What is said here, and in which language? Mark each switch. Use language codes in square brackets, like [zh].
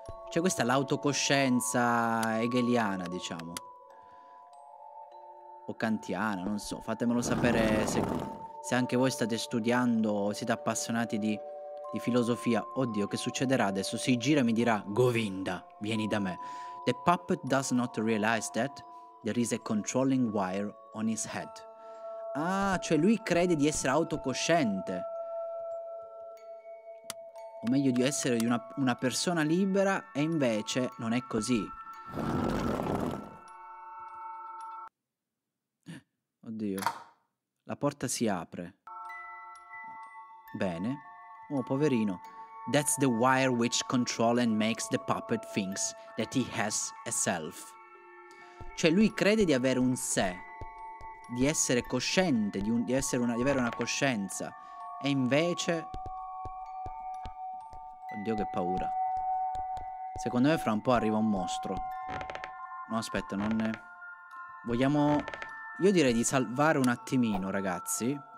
[it] C'è questa l'autocoscienza hegeliana, diciamo. O kantiana, non so. Fatemelo sapere se anche voi state studiando o siete appassionati di filosofia. Oddio, che succederà adesso? Si gira e mi dirà: Govinda, vieni da me. [en] The puppet does not realize that there is a controlling wire on his head. [it] Ah, cioè lui crede di essere autocosciente. O meglio, di essere una persona libera, e invece non è così. Oddio, la porta si apre. Bene. Oh, poverino. [en] That's the wire which control and makes the puppet thinks that he has a self. [it] Cioè lui crede di avere un sé, di essere cosciente, di avere una coscienza. E invece... oddio, che paura. Secondo me fra un po' arriva un mostro. No, aspetta, non... ne... vogliamo... io direi di salvare un attimino, ragazzi.